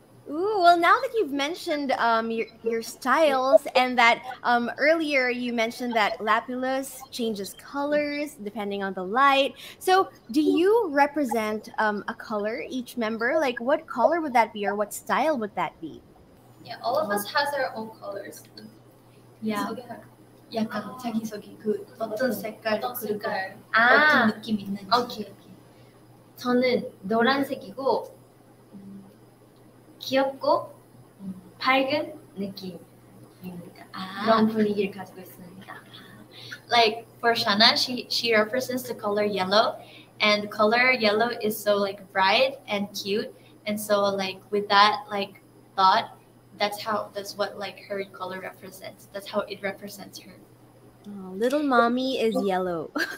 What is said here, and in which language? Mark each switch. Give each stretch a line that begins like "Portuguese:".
English: Ooh, well, now that you've mentioned your styles and that earlier you mentioned that Lapillus changes colors depending on the light. So do you represent a color, each member? Like what color would that be or what style would that be? Yeah, all of us has our own colors. Yeah.
Korean: 약간 자기 소개, 어떤 색깔, 어떤 느낌 있는지.
English: Okay.
Korean: 저는 노란색이고 귀엽고 밝은 느낌입니다. 그런 분위기를 가지고 있습니다.
English: Like for Shana, she represents the color yellow, and the color yellow is so like bright and cute, and so like with that like thought, that's what like her color represents. That's how it represents her. Oh, little mommy is yellow.